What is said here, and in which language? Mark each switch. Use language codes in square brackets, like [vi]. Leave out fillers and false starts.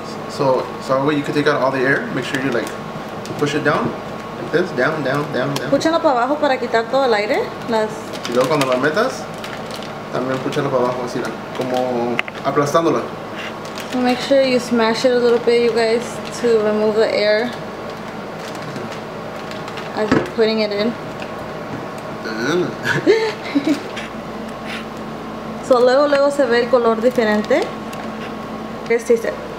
[en] So that way you can take out all the air, make sure you like push it down. Like this, down. [es] Púchalo para abajo para quitar todo el aire. Y luego cuando la metas, también púchalo para abajo así, como aplastándola. [en] Make sure you smash it a little bit, you guys, to remove the air as you're putting it in. [es] So luego se ve el color diferente. ¿Qué se dice?